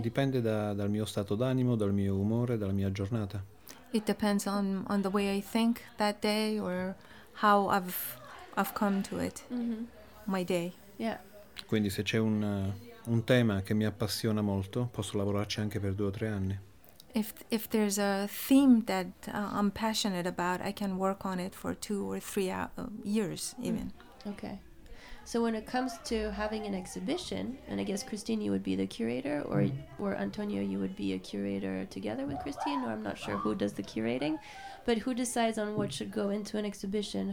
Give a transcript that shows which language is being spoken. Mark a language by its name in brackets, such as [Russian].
[Italian] Dipende dal mio stato d'animo, dal mio umore, dalla mia giornata. [English] It depends on the way I think that day or how I've come to it, my day. Yeah. [Italian] Quindi se c'è un tema che mi appassiona molto, posso lavorarci anche per 2 o 3 anni. [English] If there's a theme that I'm passionate about, I can work on it for 2 or 3 years, even. Okay. So when it comes to having an exhibition, and I guess Christine, you would be the curator, or Antonio, you would be a curator together with Christine, or I'm not sure who does the curating, but who decides on what should go into an exhibition?